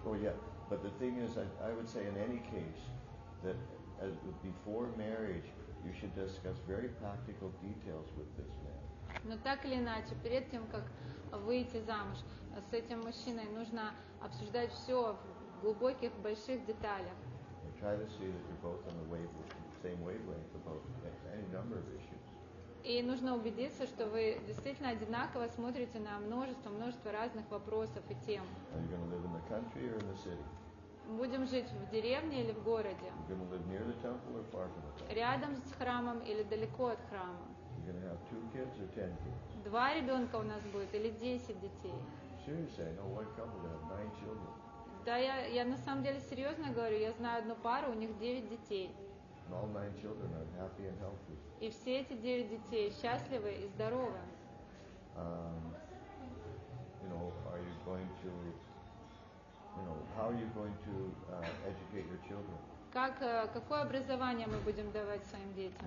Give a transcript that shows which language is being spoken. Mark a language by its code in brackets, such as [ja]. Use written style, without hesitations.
[en] Oh yeah, but the thing is, I would say in any case that as before marriage, you should discuss very practical details with this man. [ru] Но так или иначе, перед тем как выйти замуж с этим мужчиной, нужно обсуждать все в глубоких, больших деталях. [en] And try to see that you're both on the same wavelength about any number of issues. [ru] И нужно убедиться, что вы действительно одинаково смотрите на множество разных вопросов и тем. [en] Are you going to live in the country or in the city? [ru] Будем жить в деревне или в городе? [en] You're going to live near the temple or far from the temple? [ru] Рядом с храмом или далеко от храма? [en] You're going to have 2 kids or 10 kids? [ru] Два ребенка у нас будет или 10 детей? [en] Seriously, I know one couple that have 9 children. [ru] Да, я на самом деле серьезно говорю, я знаю одну пару, у них 9 детей. [en] And all 9 children are happy and healthy. [ru] И все эти 9 детей счастливы и здоровы. [en] Are you going to, how are you going to educate your children? [ru] Какое образование мы будем давать своим детям?